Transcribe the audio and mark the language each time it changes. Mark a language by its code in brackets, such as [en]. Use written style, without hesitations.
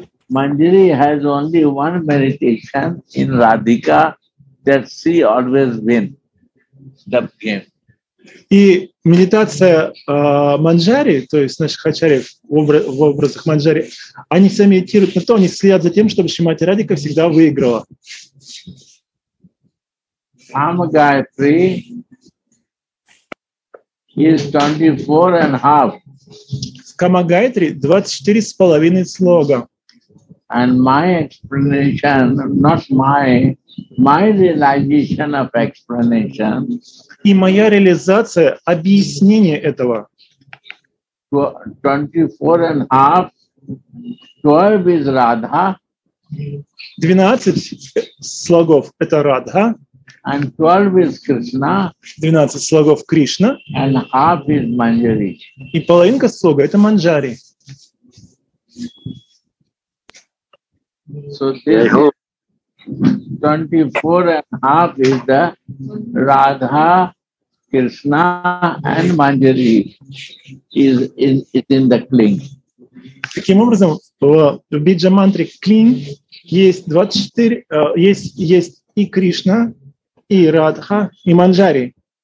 [en] Манджари has only one meditation in Radhika, that she always win the game. [ru] И медитация манджари, то есть наших ачари в образах манджари, они все медитируют на то, они следят за тем, чтобы Шримати Радика всегда выиграла. [en] Ama Gayatri is 24 and a half. [ru] Кама Гайтри 24,5 слога. [en] And my explanation, not my realization of explanation. [ru] И моя реализация объяснение этого. [en] 24 and a half. 12 is Radha. [ru] 12 слогов это Радха. [en] And 12 is Krishna. [ru] 12 слогов Кришна. [en] And half is Manjari. [ru] И половинка слога это Манджари. [en] So there 24 and a half is the Radha, Krishna and Manjari is in the Kling. [ru] Таким образом, в биджа-мантре Кling есть 24, есть и Кришна, и Радха, и Манджари.